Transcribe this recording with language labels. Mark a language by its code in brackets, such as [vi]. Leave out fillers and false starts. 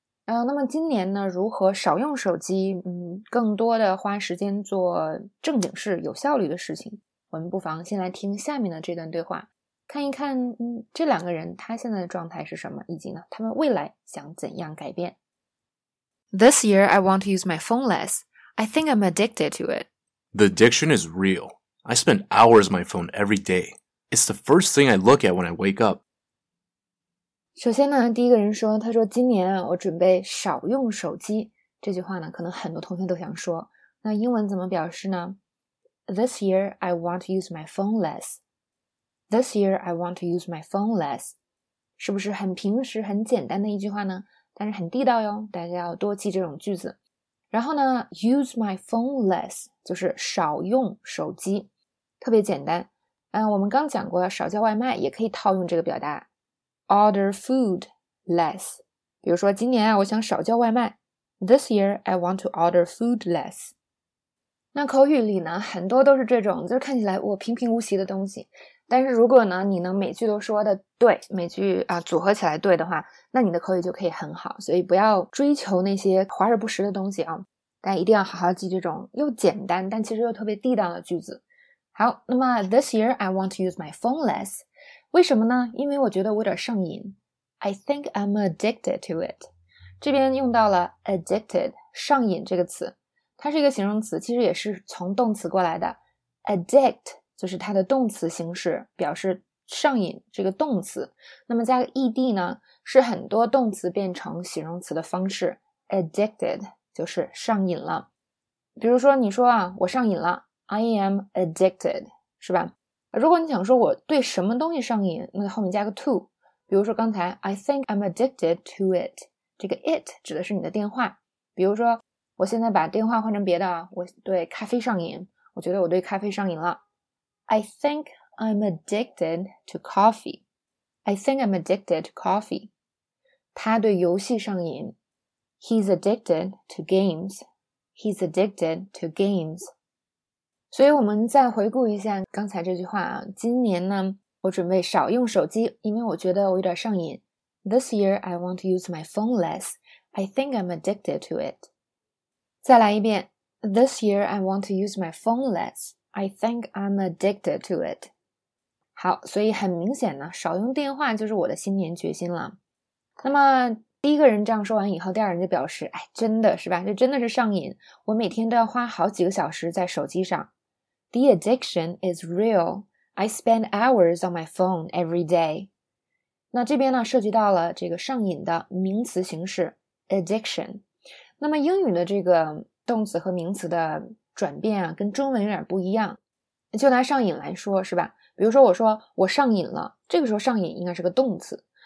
[zh] 那么今年呢，如何少用手机，更多的花时间做正经事，有效率的事情，我们不妨先来听下面的这段对话，看一看这两个人他现在的状态是什么，以及呢他们未来想怎样改变。 [en] This year I want to use my phone less. I think I'm addicted to it. The addiction is real. I spend hours on my phone every day. It's the first thing I look at when I wake up. [zh] 首先呢，第一个人说，他说今年啊，我准备少用手机。这句话呢，可能很多同学都想说，那英文怎么表示呢？ [en] This year, I want to use my phone less. This year, I want to use my phone less. [zh] 是不是很平时、很简单的一句话呢？但是很地道哟，大家要多记这种句子。然后呢 ， [en] use my phone less [zh] 就是少用手机，特别简单。我们刚讲过，少叫外卖，也可以套用这个表达 ， [en] order food less。 [zh] 比如说，今年啊，我想少叫外卖。 [en] This year, I want to order food less. [zh] 那口语里呢，很多都是这种，就是看起来我平平无奇的东西。但是如果呢，你能每句都说的对，每句组合起来对的话，那你的口语就可以很好。所以不要追求那些华而不实的东西啊，大家一定要好好记这种又简单但其实又特别地道的句子。好，那么 [en] This year I want to use my phone less. [zh] 为什么呢？因为我觉得我有点上瘾。 [en] I think I'm addicted to it. [zh] 这边用到了 addicted, 上瘾这个词。它是一个形容词，其实也是从动词过来的。addict 就是它的动词形式，表示上瘾这个动词。那么加个 ed 呢，是很多动词变成形容词的方式。 addicted 就是上瘾了。比如说你说啊，我上瘾了 ， [en] I am addicted， [zh] 是吧？如果你想说我对什么东西上瘾，那后面加个 to。比如说刚才 [en] I think I'm addicted to it， [zh] 这个 it 指的是你的电话。比如说。我现在把电话换成别的，我对咖啡上瘾，我觉得我对咖啡上瘾了。 [en] I think I'm addicted to coffee. I think I'm addicted to coffee. [zh] 他对游戏上瘾。 [en] He's addicted to games. He's addicted to games. [zh] 所以我们再回顾一下刚才这句话啊，今年呢，我准备少用手机，因为我觉得我有点上瘾。 [en] This year I want to use my phone less. I think I'm addicted to it. [zh] 再来一遍。 [en] This year I want to use my phone less. I think I'm addicted to it. [zh] 好，所以很明显呢，少用电话就是我的新年决心了。那么第一个人这样说完以后，第二人就表示，哎，真的是吧，这真的是上瘾，我每天都要花好几个小时在手机上。 [en] The addiction is real. I spend hours on my phone every day. [zh] 那这边呢，涉及到了这个上瘾的名词形式 addiction。那么英语的这个动词和名词的转变啊，跟中文有点不一样。就拿上瘾来说是吧，比如说我说我上瘾了，这个时候上瘾应该是个动词。